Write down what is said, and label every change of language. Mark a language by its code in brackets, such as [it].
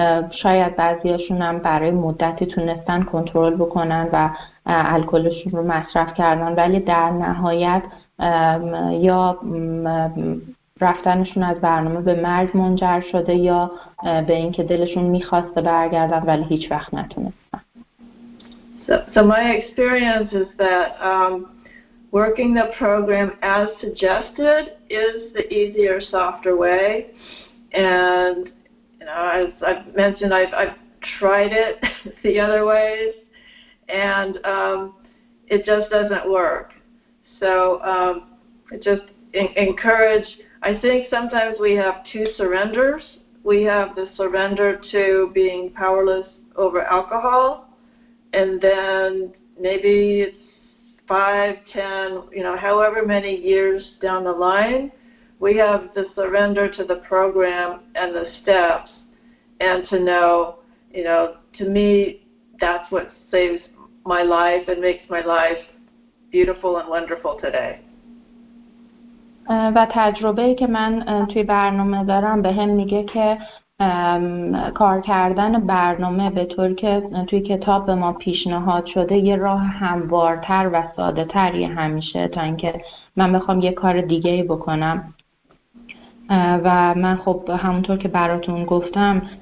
[fa] شاید بعضیاشون هم برای مدتی تونستن کنترل بکنن و الکلشون رو مصرف کردن، ولی در نهایت یا رفتنشون از برنامه به مرگ منجر شده یا به اینکه دلشون می‌خواسته برگردن ولی هیچ وقت نتونستن. [en] So my experience is that working the program as suggested is the easier, softer way. And as I've mentioned, I've tried it the other ways, and it just doesn't work. So just encourage. I think sometimes we have two surrenders. We have the surrender to being powerless over alcohol, and then maybe it's 5, 10, however many years down the line, we have the surrender to the program and the steps, and to know, to me, that's what saves my life and makes my life beautiful and wonderful today. [fa] و تجربه‌ای که من توی برنامه دارم به هم میگه که کار کردن برنامه به طور که توی کتاب به ما پیشنهاد شده یه راه هموارتر و ساده تری همیشه تا اینکه من بخوام یه کار دیگه بکنم. و من خب همونطور که براتون گفتم